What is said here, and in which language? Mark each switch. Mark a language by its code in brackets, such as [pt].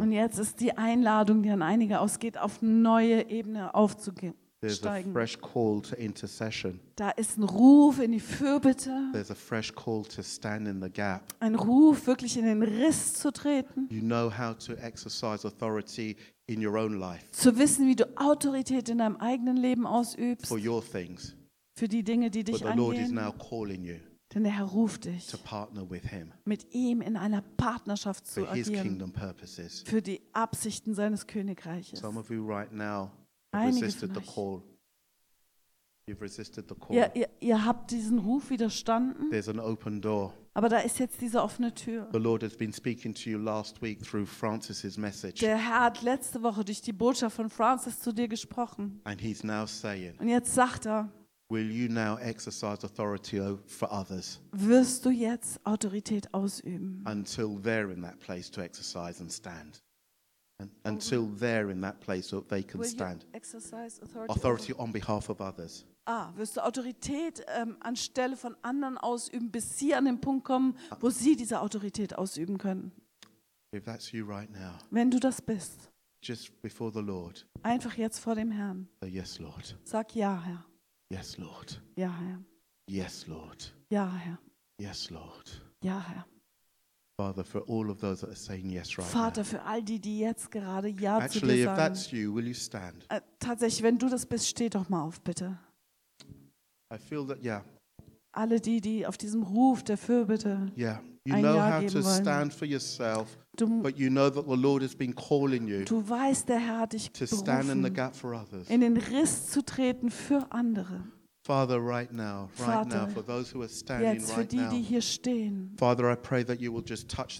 [de] Und jetzt ist die Einladung, die an einige ausgeht, auf neue Ebene aufzugehen. [en] There's a fresh call to intercession. [de] Da ist ein Ruf in die Fürbitte. [en] There's a fresh call to stand in the gap. [de] Ein Ruf, wirklich in den Riss zu treten. [en] You know how to exercise authority in your own life. [de] Zu wissen, wie du Autorität in deinem eigenen Leben ausübst. [en] For your things. [de] Für die Dinge, die dich angehen. [en] But the Lord is now calling you. [de] Denn der Herr ruft dich. [en] To partner with him. [de] Mit ihm in einer Partnerschaft zu [en] for [de] agieren. [en] His kingdom purposes. [de] Für die Absichten seines Königreiches. [en] Some of you right now. You've resisted the call. [de] Ja, ihr habt diesen Ruf widerstanden. [en] There's an open door. [de] Aber da ist jetzt diese offene Tür. [en] The Lord has been speaking to you last week through Francis's message. [de] Der Herr hat letzte Woche durch die Botschaft von Francis zu dir gesprochen. [en] And he's now saying. [de] Und jetzt sagt er. [en] Will you now exercise authority for others? [de] Wirst du jetzt Autorität ausüben? [en] Until they're in that place to exercise and stand. Until they're in that place where they can stand. Authority on behalf of others. [de] Ah, wirst du Autorität anstelle von anderen ausüben, bis sie an den Punkt kommen, wo sie diese Autorität ausüben können. [en] If that's you right now. [de] Wenn du das bist. [en] Just before the Lord. [de] Einfach jetzt vor dem Herrn. [en] Yes, Lord. [de] Sag ja, Herr. [en] Yes, Lord. [de] Ja, Herr. [en] Yes, Lord. [de] Ja, Herr. [en] Yes, Lord. [de] Ja, Herr. [en] Father, for all of those that are saying yes right [de] Vater, [en] now. [de] Für all die, die jetzt gerade ja [en] Actually, [de] zu dir sagen. [en] If that's you, will you stand? [de] Tatsächlich, wenn du das bist, steh doch mal auf, bitte. [en] I feel that, yeah. [de] Alle die, die auf diesem Ruf der Fürbitte [en] yeah. you ein know Ja how [de] geben [en] to [de] wollen. [en] Stand for yourself, but you know that the Lord has been calling you. [de] Du weißt, der Herr hat dich [en] to stand [de] berufen, [en] in the gap for others. [de] In den Riss zu treten für andere. [en] Father, right now, for those who are standing [de] jetzt für [en] right [de] die, [en] now. [de] Die hier stehen. [en] Father, I pray that you will just touch